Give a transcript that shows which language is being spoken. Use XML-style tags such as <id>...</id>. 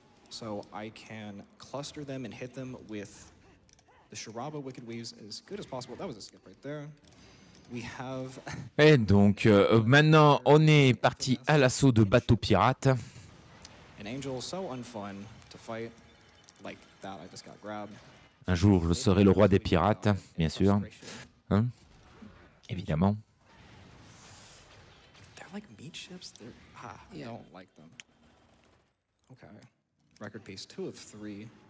<en>So I can cluster them and hit them with the Shiraba Wicked Weaves as good as possible. That was a skip right there. We have.</en> <fr>Et donc maintenant on est parti à l'assaut de bateaux pirates.</fr> <en>An angel so unfun to fight like that. I just got grabbed.</en> <fr>Un jour je serai le roi des pirates, bien sûr. Hein? Évidemment.</fr> <en>They're like meat ships. They're I don't like them. Okay. Record piece, 2 of 3.</en>